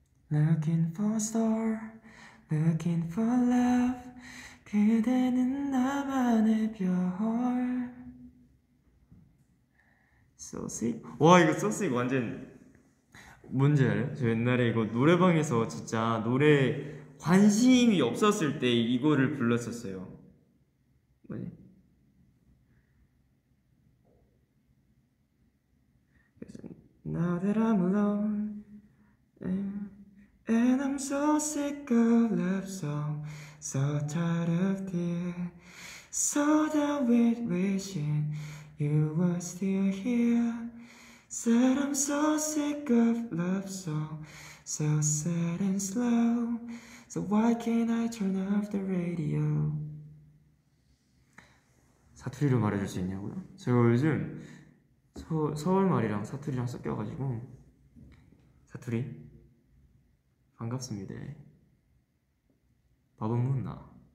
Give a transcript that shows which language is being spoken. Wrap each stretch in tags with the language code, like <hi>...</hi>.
<en>'Looking for a star, looking for love,</en> <ko>그대는 나만의 별.</ko> <en>So sick.</en> <ko>와 이거</ko> <en>so sick</en> <ko>완전 뭔지 알아요? 저 옛날에 이거 노래방에서 진짜 노래 관심이 없었을 때 이거를 불렀었어요. 뭐지? 그래서</ko> <en>Now that I'm alone. And I'm so sick of love song, so tired of tears, so done with wishing you were still here. Said I'm so sick of love song, so sad and slow. So why can't I turn off the radio?</en> <ko>사투리로 말해줄 수 있냐고요? 제가 요즘 서울 말이랑 사투리랑 섞여가지고 사투리. 반갑습니다. 밥은 묻나?</ko>